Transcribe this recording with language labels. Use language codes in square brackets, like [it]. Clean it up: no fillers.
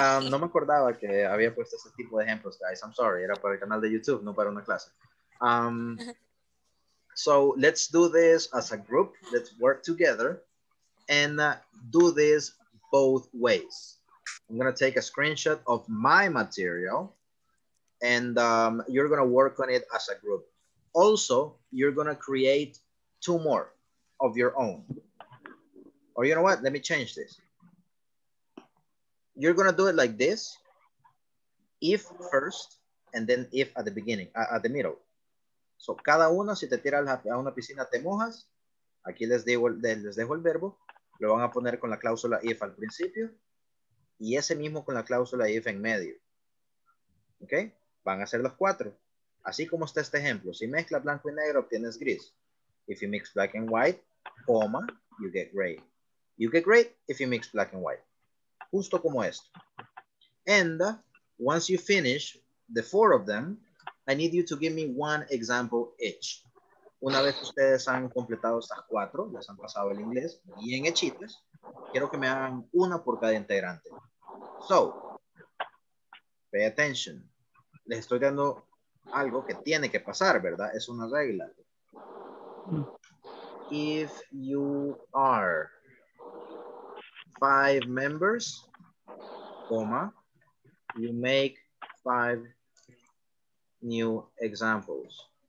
[es] No me acordaba que había puesto ese tipo de ejemplos, [en] guys. I'm sorry. [es] Era para el canal de YouTube, no para una clase. [en] So let's do this as a group. Let's work together and do this both ways. I'm going to take a screenshot of my material and you're going to work on it as a group. Also, you're going to create two more of your own. Or you know what? Let me change this. You're going to do it like this. If first, and then if at the beginning, at the middle. [es] So cada uno, si te tiras a una piscina, te mojas. Aquí les dejo el verbo. Lo van a poner con la cláusula if al principio. Y ese mismo con la cláusula if en medio. ¿Ok? Van a ser los cuatro. Así como está este ejemplo. Si mezclas blanco y negro, obtienes gris. [en] If you mix black and white, comma, you get gray. You get gray if you mix black and white. [es] Justo como esto. [en] And once you finish the four of them, I need you to give me one example each. [es] Una vez que ustedes han completado estas cuatro, les han pasado el inglés bien hechitas, quiero que me hagan una por cada integrante. [en] So, Pay attention. [es] Les estoy dando algo que tiene que pasar, ¿verdad? Es una regla. [en] If you are 5 members, comma, you make 5 new examples.